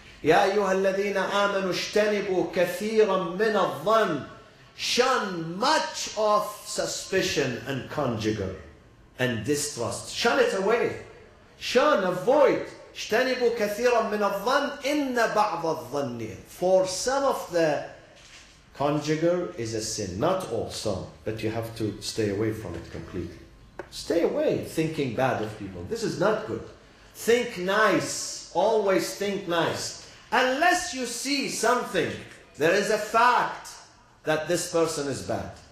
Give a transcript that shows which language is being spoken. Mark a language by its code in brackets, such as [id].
[ar] يا أيها الذين آمنوا اجتنبوا كثيرا من الظن. [en] Shun much of suspicion and conjugal and distrust. Shun it away. Shun, avoid. [ar] اجتنبوا كثيرا من الظن إن بعض الظن. [en] For some of the conjugal is a sin. Not all some, but you have to stay away from it completely. Stay away thinking bad of people. This is not good. Think nice. Always think nice. Unless you see something, there is a fact that this person is bad.